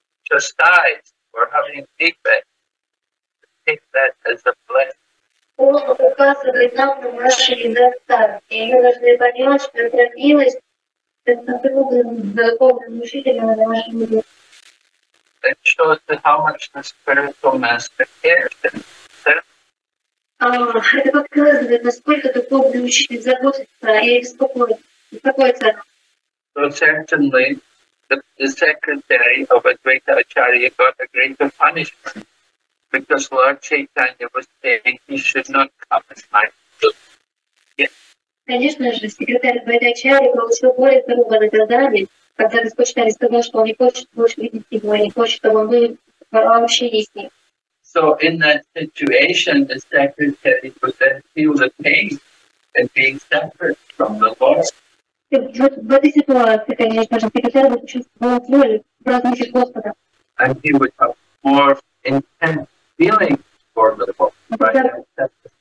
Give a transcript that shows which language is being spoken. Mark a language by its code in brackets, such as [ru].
[en] Chastise for having defects, take that as a blessing. [ru] Он указывает нам на наши недостатки. И мы должны понимать, что это милость, это [en] that shows that how much the spiritual master cares. [ru] Это показывает, насколько духовный учитель заботится и беспокоится. [en] So certainly, the secretary of Advaita Acharya got a greater punishment because Lord Chaitanya was saying he should not come as my [ru] Конечно же, секретарь Advaita Acharya получил более здоровое наказание, когда Господь Чайтанья сказал, что он не хочет больше видеть его, не хочет, чтобы он был вообще не с ним. [en] So in that situation, the secretary would then feel the pain in being separate from the Lord. And he would have more intense feeling for the Lord.